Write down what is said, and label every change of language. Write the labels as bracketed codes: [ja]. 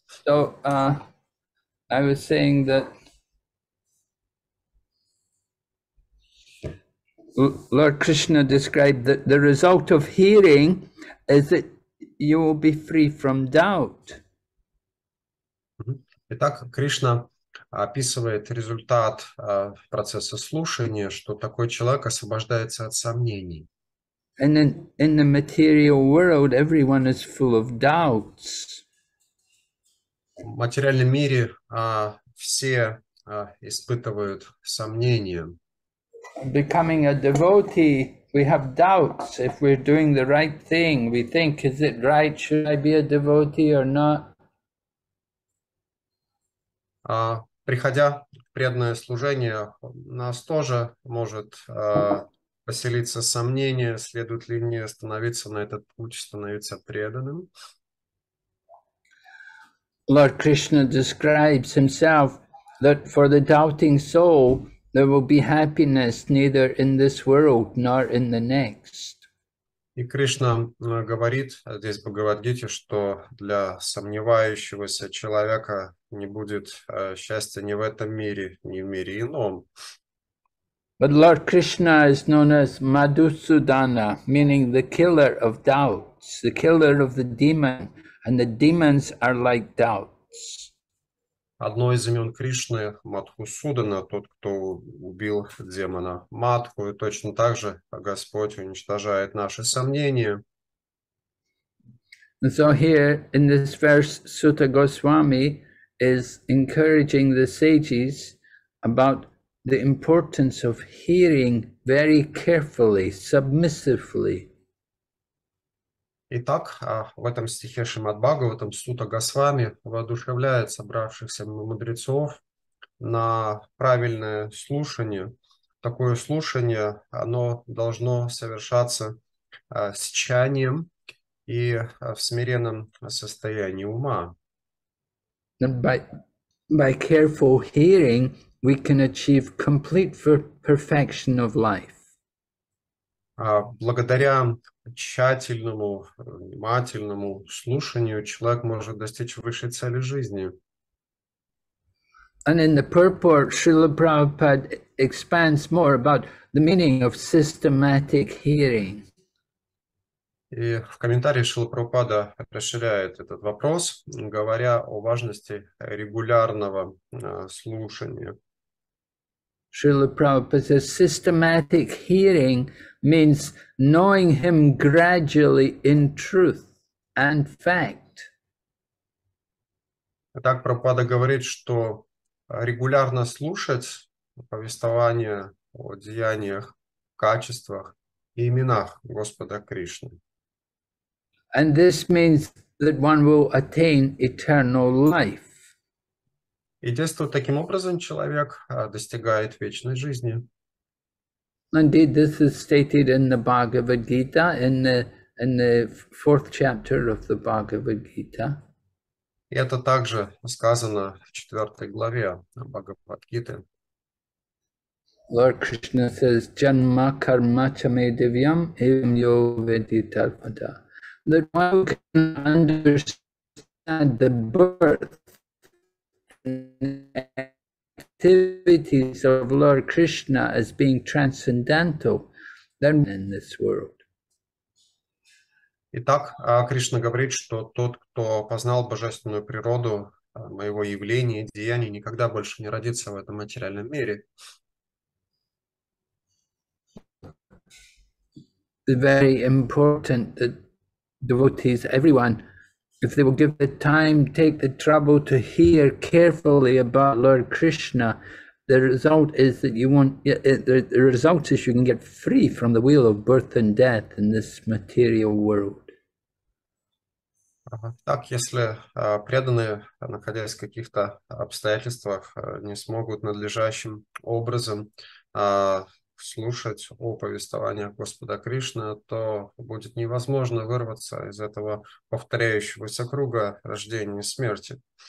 [en] So, I was saying that Lord Krishna described that the result of hearing is that you will be free from doubt. [ru] Итак, Кришна описывает результат процесса слушания, что такой человек освобождается от сомнений. [en] And in the material world, everyone is full of doubts. [ru] В материальном мире все испытывают сомнения. [en] Becoming a devotee, we have doubts. If we're doing the right thing, we think, is it right? Should I be a devotee or not? [ru] Приходя в преданное служение, нас тоже может поселиться сомнение, следует ли мне становиться на этот путь, становиться преданным. [en] Lord Krishna describes himself that for the doubting soul, there will be happiness neither in this world nor in the next. [ru] И Кришна говорит здесь в Бхагавад-гите, что для сомневающегося человека не будет счастья ни в этом мире, ни в мире ином. [en] But Lord Krishna is known as Madhusudana, meaning the killer of doubts, the killer of the demon, and the demons are like doubts. [ru] Одно из имен Кришны – Мадхусудана, тот, кто убил демона Мадху, и точно так же Господь уничтожает наши сомнения. [en] And so here in this verse, Sutta Goswami is encouraging the sages about the importance of hearing very carefully, submissively. [ru] Итак, в этом стихе Шримад Бхагаватам Сута Госвами воодушевляет собравшихся мудрецов на правильное слушание. Такое слушание, оно должно совершаться с чаянием и в смиренном состоянии ума. [en] By careful hearing, we can achieve complete perfection of life. [ru] Благодаря тщательному, внимательному слушанию человек может достичь высшей цели жизни. [en] And in the purport, Srila Prabhupada expands more about the meaning of systematic hearing. [ru] И в комментарии Шрила Прабхупада расширяет этот вопрос, говоря о важности регулярного слушания. [en] Srila Prabhupada says systematic hearing means knowing him gradually in truth and fact. [ru] Итак, Прабхупада говорит, что регулярно слушать повествование о деяниях, качествах и именах Господа Кришны. [en] And this means that one will attain eternal life. [ru] И действует таким образом, человек достигает вечной жизни. [en] Indeed, this is stated in the Bhagavad Gita, in the fourth chapter of the Bhagavad Gita. [ru] И это также сказано в четвертой главе Бхагавад Гиты. [en] Lord Krishna says, [sa] "Janma karma chame devyam evam yo veditarpada." [en] That one can understand the birth activities of Lord Krishna as being transcendental than in this world. [ru] Итак, Кришна говорит, что тот, кто познал божественную природу моего явления и деяний, никогда больше не родится в этом материальном мире. [en] It's very important that devotees, everyone, if they will give the time, take the trouble to hear carefully about Lord Krishna, the result is you can get free from the wheel of birth and death in this material world. [ru] Так, если преданные, находясь в каких-то обстоятельствах, не смогут надлежащим образом слушать о повествованиях Господа Кришны, то будет невозможно вырваться из этого повторяющегося круга рождения и смерти.